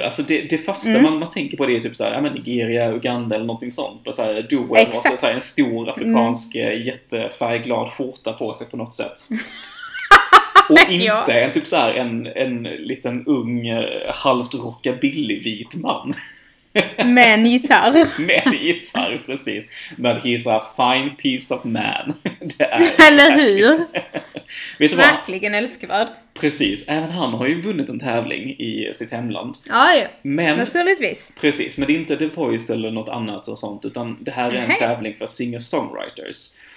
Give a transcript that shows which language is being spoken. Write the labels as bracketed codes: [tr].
[sv] Alltså det första man tänker på det är typ så här, men Nigeria, Uganda eller någonting sånt. Och så här, Doe och så här, en stor afrikansk jättefärgglad skjorta på sig på något sätt. Och inte en typ så här en liten ung halvt rockabilly vit man. Med en gitarr. Med en gitarr, precis. [en] But he's a fine piece of man. [sv] Det är eller hur? Vet du vad? Verkligen älskvärd. Precis, även han har ju vunnit en tävling i sitt hemland. Ja, naturligtvis. Precis, men det är inte The Voice eller något annat och sånt. Utan det här är en tävling för singer-songwriters.